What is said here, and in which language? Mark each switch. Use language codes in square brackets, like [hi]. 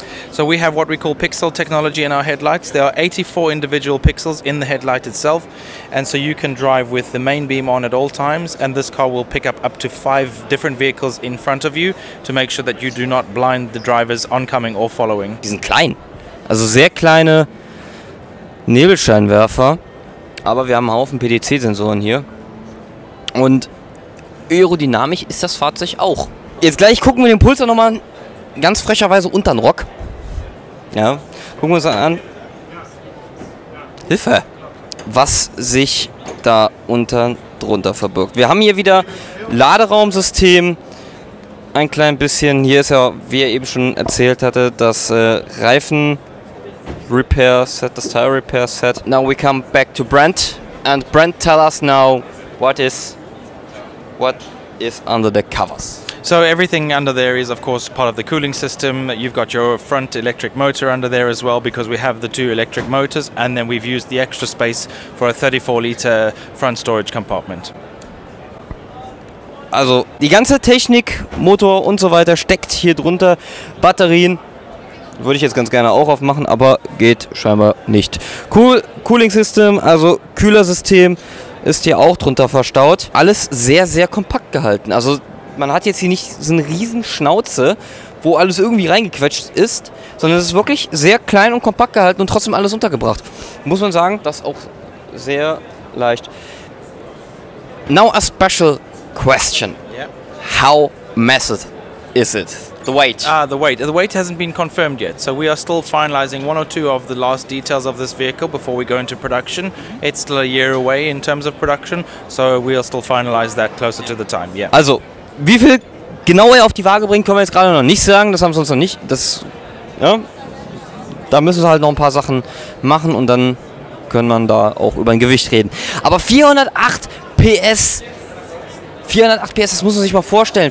[en] So we have what we call pixel technology in our headlights. There are 84 individual pixels in the headlight itself. And so you can drive with the main beam on at all times. And this car will pick up to 5 different vehicles in front of you to make sure that you do not blind the drivers oncoming or following. [de] Die sind klein. Also sehr kleine Nebelscheinwerfer. Aber wir haben einen Haufen PDC-Sensoren hier. Und aerodynamisch ist das Fahrzeug auch. Jetzt gleich gucken wir den Pulsar nochmal ganz frecherweise unter den Rock. Ja, gucken wir uns an. Hilfe! Was sich da unten drunter verbirgt. Wir haben hier wieder Laderaumsystem. Ein klein bisschen. Hier ist ja, wie er eben schon erzählt hatte, das Reifen Repair Set, das Tire Repair Set. [en] Now we come back to Brent. And Brent, tell us now, what is under the covers? So everything under there is of course part of the cooling system. You've got your front electric motor under there as well, because we have the 2 electric motors, and then we've used the extra space for a 34-liter front storage compartment. [de] Also die ganze Technik, Motor und so weiter steckt hier drunter. Batterien würde ich jetzt ganz gerne auch aufmachen, aber geht scheinbar nicht. Cooling System, also Kühlersystem, ist hier auch drunter verstaut. Alles sehr, sehr kompakt gehalten. Also man hat jetzt hier nicht so eine riesen Schnauze, wo alles irgendwie reingequetscht ist, sondern es ist wirklich sehr klein und kompakt gehalten und trotzdem alles untergebracht. Muss man sagen, das auch sehr leicht. [en] Now a special question. Yeah. How massive is it? The weight. The weight hasn't been confirmed yet. So we are still finalizing one or two of the last details of this vehicle before we go into production. It's still a year away in terms of production, so we'll still finalize that closer to the time. Yeah. [de] Also, wie viel genau er auf die Waage bringt, können wir jetzt gerade noch nicht sagen. Das haben sie uns noch nicht. Da müssen sie halt noch ein paar Sachen machen und dann können wir da auch über ein Gewicht reden. Aber 408 PS. 408 PS, das muss man sich mal vorstellen.